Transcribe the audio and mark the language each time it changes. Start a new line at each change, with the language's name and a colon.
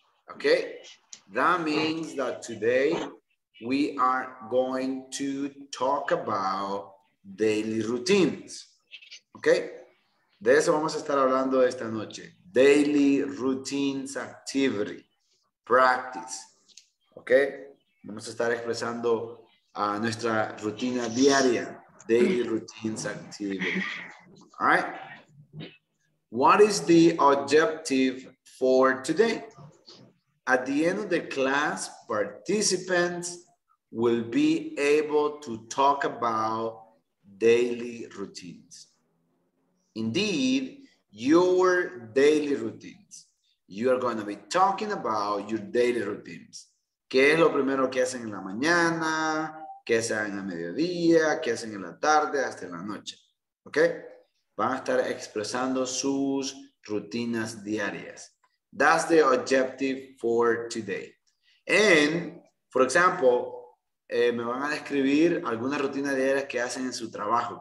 English: Okay, that means that today we are going to talk about daily routines.
Spanish: Okay, de eso vamos a estar hablando esta noche.
English: Daily routines, activity, practice.
Spanish: Okay, vamos a estar expresando a nuestra rutina diaria.
English: Daily routines, activity. All right. What is the objective for today? At the end of the class, participants will be able to talk about daily routines. Indeed, your daily routines. You are going to be talking about your daily routines.
Spanish: ¿Qué es lo primero que hacen en la mañana? ¿Qué hacen a mediodía? ¿Qué hacen en la tarde? Hasta en la noche. ¿Ok? Van a estar expresando sus rutinas diarias.
English: That's the objective for today. And, for example,
Spanish: me van a describir algunas rutinas diarias que hacen en su trabajo.